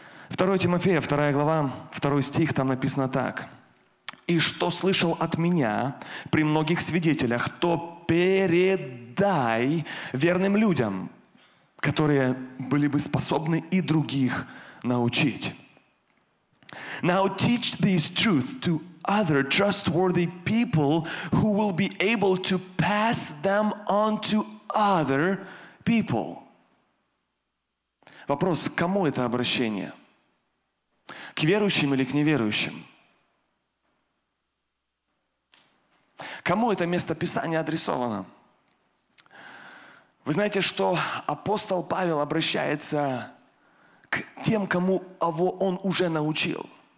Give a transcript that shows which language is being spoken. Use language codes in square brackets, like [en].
[ru] 2 Тимофея, 2 глава, 2 стих, там написано так. «И что слышал от меня при многих свидетелях, то передай верным людям, которые были бы способны и других научить». [en] Now teach these truths to other trustworthy people who will be able to pass them on to other people. [ru] Вопрос, к кому это обращение? К верующим или к неверующим? Кому это место Писания адресовано? Вы знаете, что апостол Павел обращается к тем, кому его он уже научил.